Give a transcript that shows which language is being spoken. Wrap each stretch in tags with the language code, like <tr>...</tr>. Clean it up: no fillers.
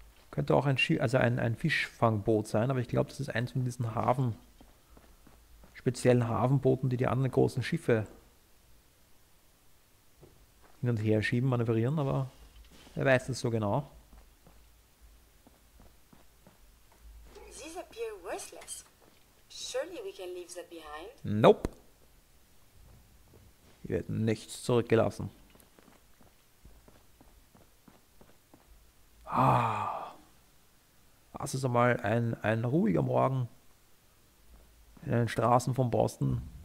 <de>Könnte auch ein Fischfangboot sein, aber ich glaube, das ist eins von diesen speziellen Hafenbooten, die anderen großen Schiffe hin und her schieben, manövrieren, aber wer weiß das so genau.</de> <en>These appear worthless. Surely we can leave that behind. Nope.</en> <de>Hier wird nichts zurückgelassen. Ah. Das ist einmal ein ruhiger Morgen in den Straßen von Boston.</de>